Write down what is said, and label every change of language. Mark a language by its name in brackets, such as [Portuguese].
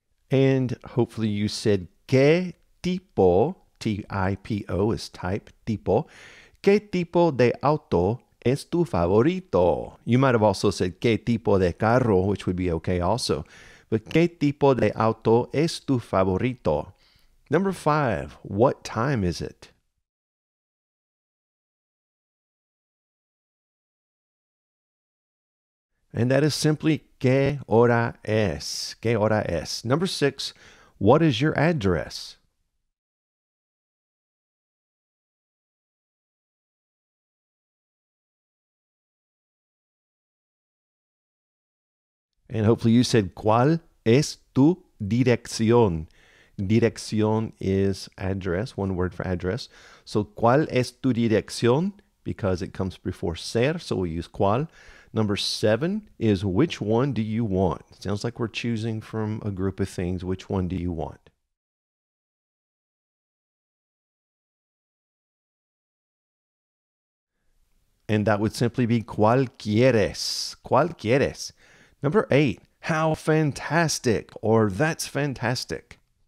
[English] And hopefully you said, [Spanish] ¿qué tipo, T-I-P-O is type, tipo, qué tipo de auto es tu favorito? [English] You might have also said, [Spanish] ¿qué tipo de carro, [English] which would be okay also. [Spanish] But, ¿qué tipo de auto es tu favorito? [English] Number 5, what time is it? And that is simply, [Spanish] ¿qué hora es? ¿Qué hora es? [English] Number 6, what is your address? And hopefully you said, [Spanish] ¿cuál es tu dirección? [English] Dirección is address, one word for address. So, [Spanish] ¿cuál es tu dirección? [English] Because it comes before ser, so we use cuál. Number 7 is, which one do you want? Sounds like we're choosing from a group of things. Which one do you want? And that would simply be, [Spanish] ¿cuál quieres? ¿Cuál quieres? [English] Number 8, how fantastic, or that's fantastic.